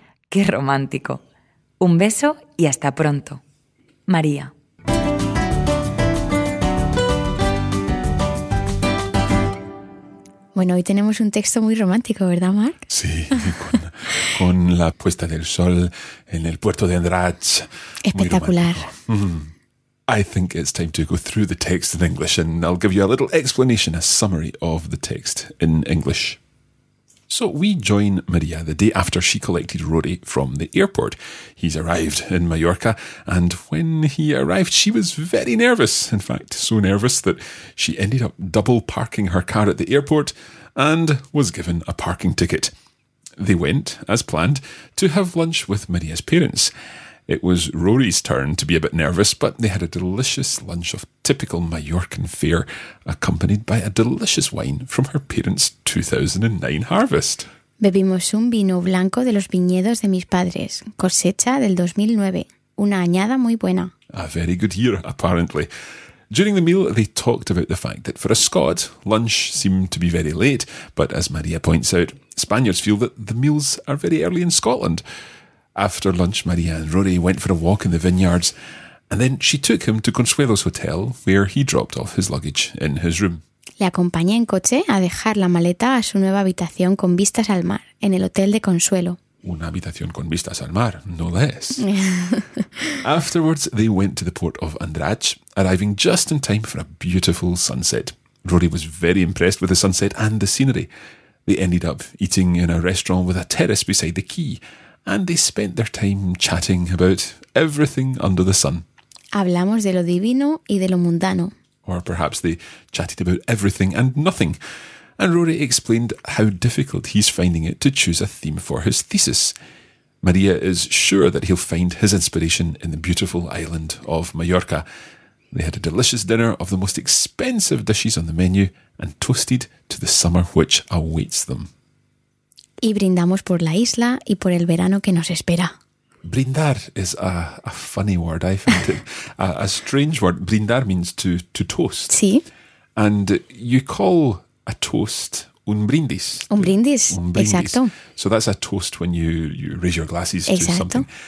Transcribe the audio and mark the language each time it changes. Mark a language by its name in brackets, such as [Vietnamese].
[Spanish] ¡Qué romántico! Un beso y hasta pronto. María. Bueno, hoy tenemos un texto muy romántico, ¿verdad, Marc? Sí, con la puesta del sol en el puerto de Andratx. Espectacular. [English] I think it's time to go through the text in English and I'll give you a little explanation, a summary of the text in English. So we join Maria the day after she collected Rory from the airport. He's arrived in Mallorca, and when he arrived, she was very nervous. In fact, so nervous that she ended up double parking her car at the airport and was given a parking ticket. They went, as planned, to have lunch with Maria's parents. It was Rory's turn to be a bit nervous, but they had a delicious lunch of typical Mallorcan fare, accompanied by a delicious wine from her parents' 2009 harvest. [Spanish] Bebimos un vino blanco de los viñedos de mis padres, cosecha del 2009. Una añada muy buena. [English] A very good year, apparently. During the meal, they talked about the fact that for a Scot, lunch seemed to be very late, but as Maria points out, Spaniards feel that the meals are very early in Scotland. After lunch, Maria and Rory went for a walk in the vineyards, and then she took him to Consuelo's hotel, where he dropped off his luggage in his room. [Spanish] Le acompañé en coche a dejar la maleta a su nueva habitación con vistas al mar, en el hotel de Consuelo. Una habitación con vistas al mar, [English] no less. Afterwards, they went to the port of Andratx, arriving just in time for a beautiful sunset. Rory was very impressed with the sunset and the scenery. They ended up eating in a restaurant with a terrace beside the quay, and they spent their time chatting about everything under the sun. [Spanish] Hablamos de lo divino y de lo mundano. [English] Or perhaps they chatted about everything and nothing. And Rory explained how difficult he's finding it to choose a theme for his thesis. Maria is sure that he'll find his inspiration in the beautiful island of Mallorca. They had a delicious dinner of the most expensive dishes on the menu and toasted to the summer which awaits them. Y brindamos por la isla y por el verano que nos espera. Brindar is a funny word, I find it. a strange word. Brindar means to toast. [Spanish] Sí. [English] And you call a toast un brindis. [Spanish] Un brindis, exacto. [English] So that's a toast when you raise your glasses exacto. to something.